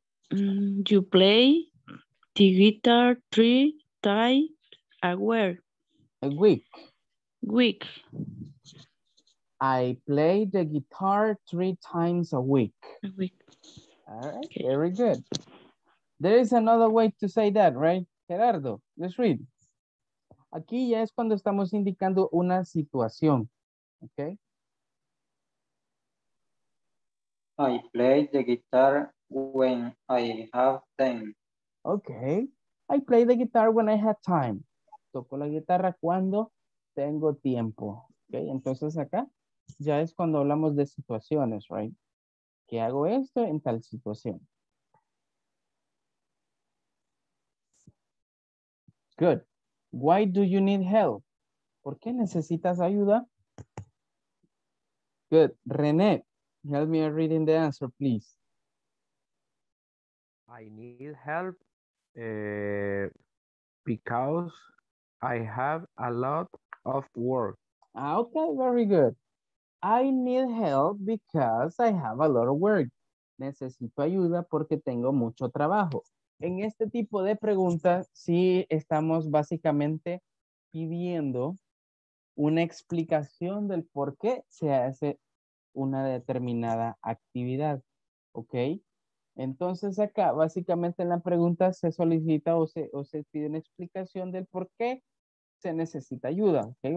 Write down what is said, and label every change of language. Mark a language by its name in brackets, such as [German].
[English] You play the guitar 3 times a week. A week. Week. I play the guitar 3 times a week. A week. All right, okay. Very good. There is another way to say that, right? Gerardo, let's read. [Spanish] Aquí ya es cuando estamos indicando una situación, [English] okay? I play the guitar when I have time. Okay, I play the guitar when I have time. [Spanish] Toco la guitarra cuando tengo tiempo. Okay, entonces acá ya es cuando hablamos de situaciones, right? ¿Qué hago esto en tal situación? [English] Good. Why do you need help? [Spanish] ¿Por qué necesitas ayuda? [English] Good. René, help me reading the answer, please. I need help because I have a lot of work. Okay, very good. I need help because I have a lot of work. [Spanish] Necesito ayuda porque tengo mucho trabajo. En este tipo de preguntas, sí estamos básicamente pidiendo una explicación del por qué se hace una determinada actividad, ¿ok? Entonces acá, básicamente en la pregunta se solicita o se pide una explicación del por qué se necesita ayuda, ¿ok?